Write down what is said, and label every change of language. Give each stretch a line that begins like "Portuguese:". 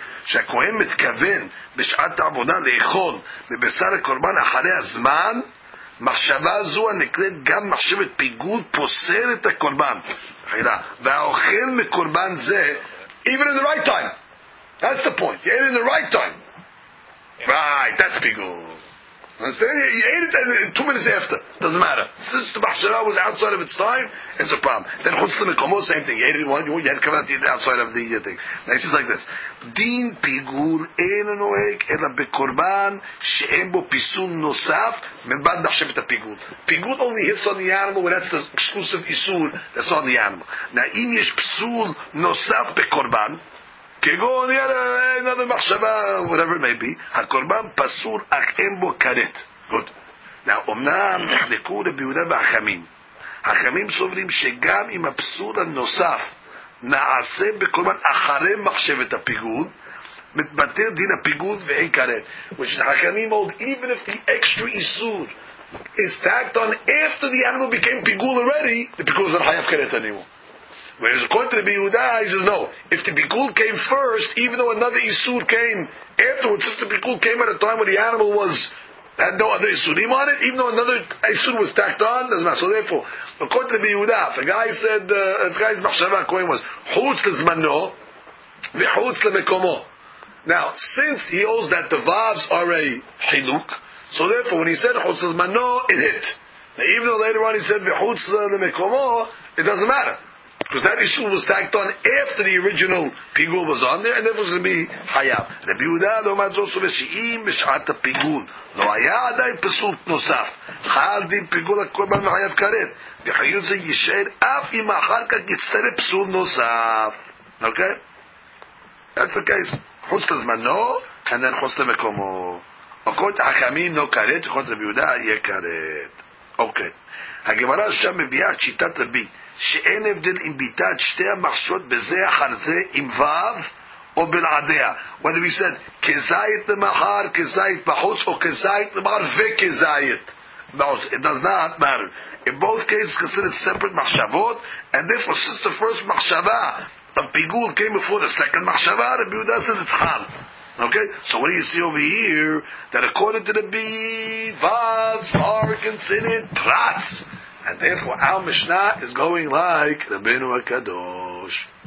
Hebrew: שהכהן מתכוון בשעת העבודה לאכול בבשר הקורבן אחרי הזמן, מחשבה זו הנקראת גם מחשבת פיגול פוסל את הקורבן. והאוכל מקורבן זה,
English: even in the right time. That's the point. You ate in the right time. Right, that's פיגול. You ate it 2 minutes after. Doesn't matter. Since the מחשבה was outside of its time, it's a problem. Then חוץ למקומו, same thing. You ate it one, you had come out outside of the thing. Now it's just like this.
Hebrew: דין פיגול אין נוהג אלא בקורבן שאין בו פיסול נוסף מבד מחשב את הפיגול.
English: פיגול only hits on the animal when that's the exclusive איסול that's on the animal.
Hebrew: Now אם יש פיסול נוסף בקורבן כגון
English: another
Hebrew: מחשבה
English: whatever it may be,
Hebrew: הקורבן פסול אך אין בו קרת. Good. Now אמנם נחלקו לביהודה והחמים. החמים סוברים שגם אם הפיסול הנוסף נעשה בקורבן אחרי מחשבת הפיגול מתבטל דין הפיגול ואין קרת.
English: Which the Hachamim hold, even if the extra isur is tacked on after the animal became pigul already, the pigul is not chayav karet anymore. Whereas according to the Yehuda, he says no, if the pigul came first, even though another isur came afterwards, if the pigul came at a time where the animal was had no other isurim on it, even though another isur was tacked on, doesn't matter. So therefore, according to the Yehuda, the guy said, the guy's machshava kohen was chutz lezmano v'chutz lemekomo. Now, since he holds that the vavs are a chiluk, so therefore, when he said chutz lezmano, it hit. Now, even though later on he said v'chutz lemekomo, it doesn't matter because that isur was tacked on after the original pigul was on there, and it was going to be hayav.
Hebrew: The Yehuda lo matzosu v'shiim b'shata pigul. לא היה עדיין פסול נוסף חל דין פיגול הקורבן וחייב קרת וחיוב זה יישאר אף אם אחר כך יצטרף פסול נוסף. אוקיי?
English: That's the case.
Hebrew: חוץ לזמנו
English: and then
Hebrew: חוץ למקומו. אוקיי, החכמים לא קרת וחוץ רבי יהודה יהיה קרת. אוקיי, הגמרא שם מביאה שיטת רבי שאין הבדל אם ביטה את שתי המחשבות בזה אחר זה עם וו או בלעדיה.
English: What if he said
Hebrew: כזית למחר, כזית בחוץ, או כזית למחר וכזית.
English: No, it does not matter. In both cases considered separate מחשבות, and therefore since the first מחשבה the פיגול came before the second מחשבה, the Rabbi Yehuda said it's חל. Okay, so what do you see over here? That according to the Bivaz are considered trats, and therefore our Mishnah is going like Rabbeinu HaKadosh.